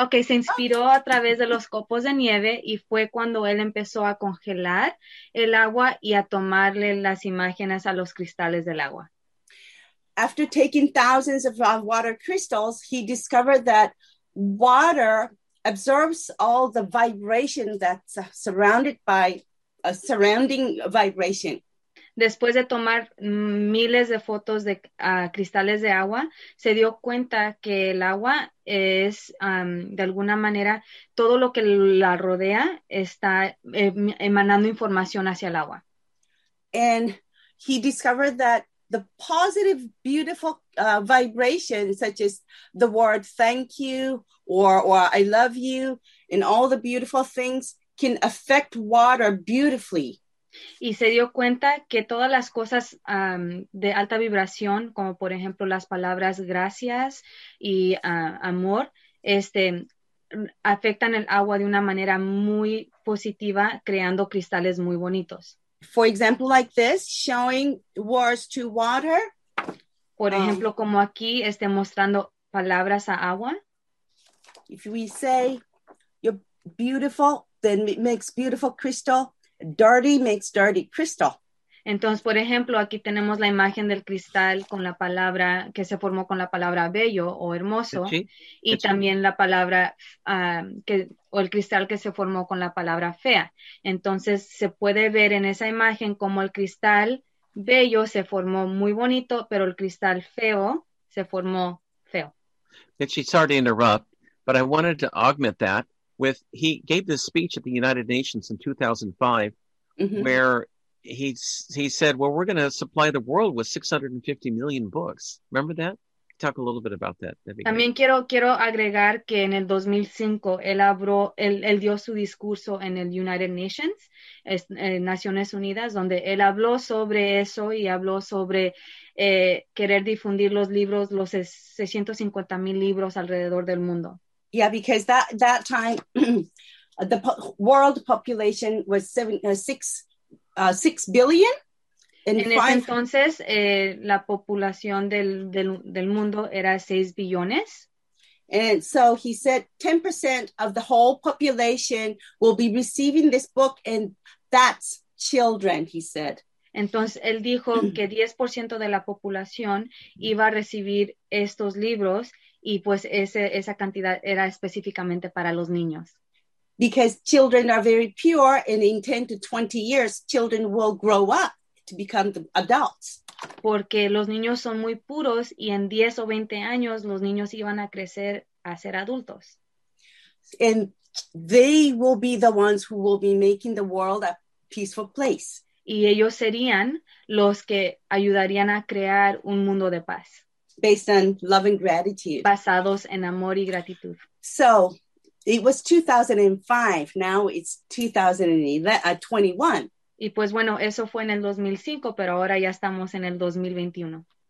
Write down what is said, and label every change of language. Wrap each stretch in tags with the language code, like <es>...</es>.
<es>Okay, se inspiró a través de los copos de nieve y fue cuando él empezó a congelar el agua y a tomarle las imágenes a los cristales del agua.</es> <en>After taking thousands of water crystals, he discovered that water absorbs all the vibration that's surrounded by a surrounding vibration.</en> <es>Después de tomar miles de fotos de cristales de agua, se dio cuenta que el agua es, de alguna manera, todo lo que la rodea está emanando información hacia el agua.</es> <en>And he discovered that the positive, beautiful vibrations, such as the word thank you or I love you and all the beautiful things, can affect water beautifully.</en> <es>Y se dio cuenta que todas las cosas de alta vibración, como por ejemplo las palabras gracias y amor, afectan el agua de una manera muy positiva, creando cristales muy bonitos.</es> <en>For example, like this, showing words to water.</en> <es>Por ejemplo, como aquí esté mostrando palabras a agua.</es> <en>If we say you're beautiful, then it makes beautiful crystal. Dirty makes dirty crystal.</en> <es>Entonces, por ejemplo, aquí tenemos la imagen del cristal con la palabra que se formó con la palabra bello o hermoso. Y también la palabra o el cristal que se formó con la palabra fea. Entonces, se puede ver en esa imagen como el cristal bello se formó muy bonito, pero el cristal feo se formó feo.</es> <en>Michi, sorry to interrupt, but I wanted to augment that with, he gave this speech at the United Nations in 2005, mm-hmm. where he said, well, we're going to supply the world with 650 million books. Remember that? Talk a little bit about that.</en> <es>También quiero agregar que en el 2005 él dio su discurso en el United Nations, Naciones Unidas, donde él habló sobre eso y habló sobre querer difundir los libros, los 650 mil libros alrededor del mundo.</es> <en>Yeah, because that time the world population was 6 billion.</en> <es>Entonces, la población del mundo era 6 billones.</es> <en>And so he said 10% of the whole population will be receiving this book, and that's children, he said.</en> <es>Entonces, él dijo que 10% de la población iba a recibir estos libros, y pues esa cantidad era específicamente para los niños.</es> <en>Because children are very pure, and in 10 to 20 years, children will grow up to become the adults.</en> <es>Porque los niños son muy puros y en 10 o 20 años los niños iban a crecer a ser adultos.</es> <en>And they will be the ones who will be making the world a peaceful place.</en> <es>Y ellos serían los que ayudarían a crear un mundo de paz.</es> <en>Based on love and gratitude.</en> <es>Basados en amor y gratitud.</es> <en>So, it was 2005. Now it's 2021.</en> <es>Y pues bueno, eso fue en el 2005, pero ahora ya estamos en el 2021.</es>